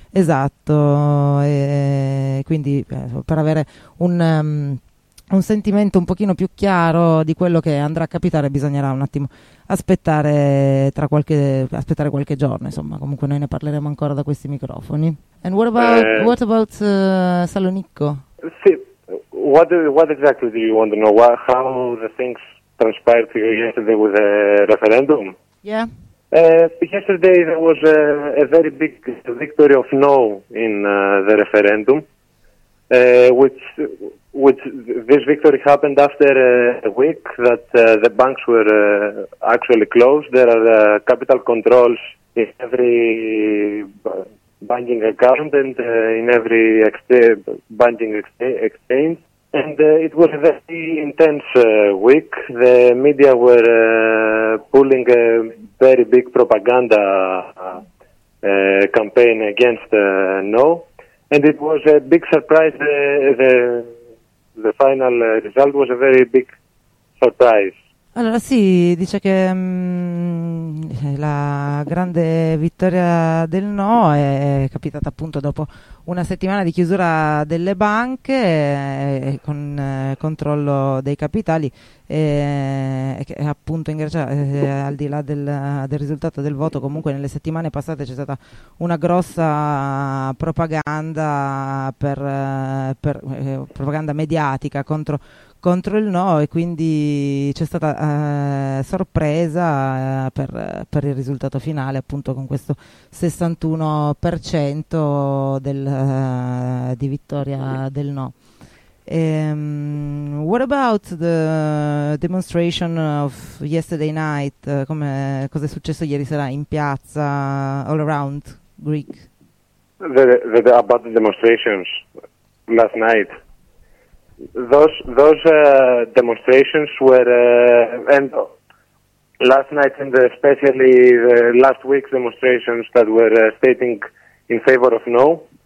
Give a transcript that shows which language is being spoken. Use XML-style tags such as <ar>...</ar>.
<it>esatto, e quindi per avere un sentimento un pochino più chiaro di quello che andrà a capitare bisognerà un attimo aspettare qualche giorno, insomma. Comunque noi ne parleremo ancora da questi microfoni.</it> <en>And what about Salonicco? Sì, what exactly do you want to know? How the things transpired to you yesterday with the referendum? Yeah. Yesterday there was a very big victory of no in the referendum, which this victory happened after a week that the banks were actually closed. There are capital controls in every banking account and in every banking exchange. And it was a very intense week. The media were pulling a very big propaganda campaign against no. And it was a big surprise. The final result was a very big surprise.</en> <it>Allora sì, dice che la grande vittoria del no è capitata appunto dopo una settimana di chiusura delle banche con controllo dei capitali, che appunto in Grecia, al di là del risultato del voto, comunque nelle settimane passate c'è stata una grossa propaganda propaganda mediatica contro il no, e quindi c'è stata sorpresa per il risultato finale, appunto con questo 61% di vittoria del no.</it> <en>What about the demonstration of yesterday night?</en> <it>Cosa è successo ieri sera in piazza</it> <en>all around Greece? The about the demonstrations last night. Those demonstrations were, and last night and especially the last week's demonstrations that were stating in favor of no,</en>